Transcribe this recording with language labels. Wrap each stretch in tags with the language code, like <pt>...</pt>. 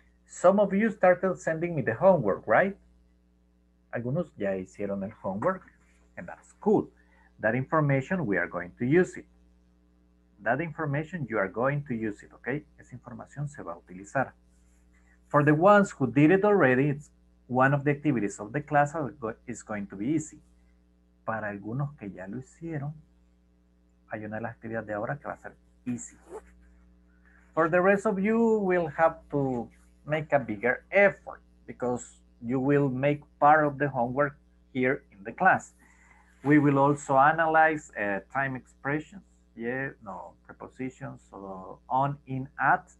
<en>Some of you started sending me the homework, right?</en> <es>Algunos ya hicieron el homework,</es> <en>and that's cool. That information, we are going to use it. That information, you are going to use it, okay?</en> <es>Esa información se va a utilizar.</es> <en>For the ones who did it already, it's one of the activities of the class is going to be easy.</en> <es>Para algunos que ya lo hicieron, hay una de las actividades de ahora que va a ser easy.</es> <en>For the rest of you, we'll have to make a bigger effort because you will make part of the homework here in the class. We will also analyze time expressions. Yeah, no, prepositions, so on, in, at.</en>